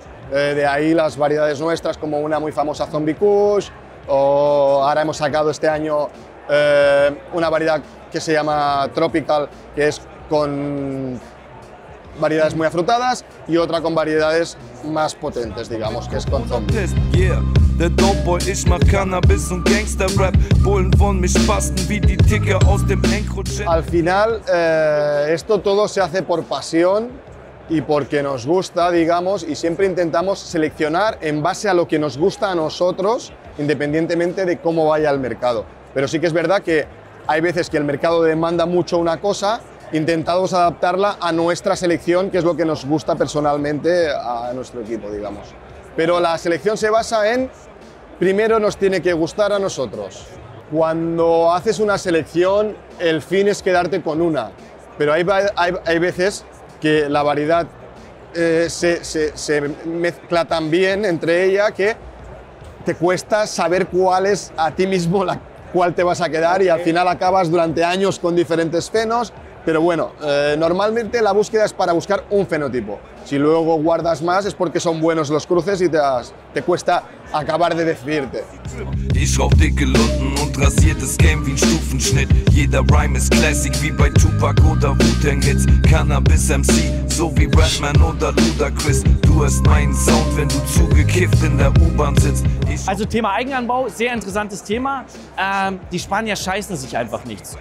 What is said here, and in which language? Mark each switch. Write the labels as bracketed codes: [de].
[es] De ahí las variedades nuestras, como una muy famosa Zombie Kush, o ahora hemos sacado este año una variedad que se llama Tropical, que es con variedades muy afrutadas, y otra con variedades más potentes, digamos, que es con zombies. [de] Der Dope-Boy, ich mach Cannabis und Gangster-Rap. Bullen von mich spasten wie die Ticker aus dem Encro-Chat. [es] Al final, esto todo se hace por pasión y porque nos gusta, digamos, y siempre intentamos seleccionar en base a lo que nos gusta a nosotros, independientemente de cómo vaya el mercado. Pero sí que es verdad que hay veces que el mercado demanda mucho una cosa, intentamos adaptarla a nuestra selección, que es lo que nos gusta personalmente a nuestro equipo, digamos. Pero la selección se basa en, primero nos tiene que gustar a nosotros. Cuando haces una selección, el fin es quedarte con una. Pero hay veces que la variedad se mezcla tan bien entre ella que te cuesta saber cuál es a ti mismo cuál te vas a quedar, okay. Y al final acabas durante años con diferentes fenos. Pero bueno, normalmente la búsqueda es para buscar un fenotipo. Si luego guardas más es porque son buenos los cruces y te cuesta acabar de decidirte. [de] Ich rauf dicke Lunden und rasiertes Game wie ein Stufenschnitt. Jeder Rhyme ist classic wie bei Tupac oder Wu-Tang Hits. Cannabis MC, so wie Redman oder Ludacris. Du hast meinen Sound, wenn du zugekifft in der U-Bahn sitzt. Also Thema Eigenanbau, sehr interessantes Thema. Die Spanier scheißen sich einfach nichts.